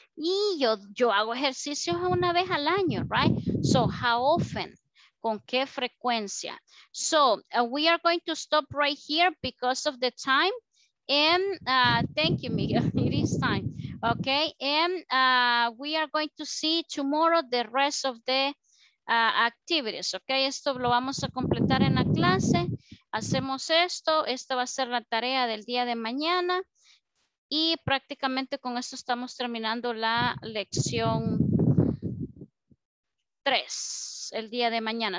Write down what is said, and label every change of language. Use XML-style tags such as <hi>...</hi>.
<es>Y yo hago ejercicio una vez al año, right?</es> <en>So how often?</en> <es>¿Con qué frecuencia?</es> <en>So we are going to stop right here because of the time. And thank you, Miguel, it is time. Okay, and we are going to see tomorrow the rest of the activities.</en> <es>Okay, esto lo vamos a completar en la clase. Hacemos esto, esta va a ser la tarea del día de mañana. Y prácticamente con esto estamos terminando la lección 3 el día de mañana.</es>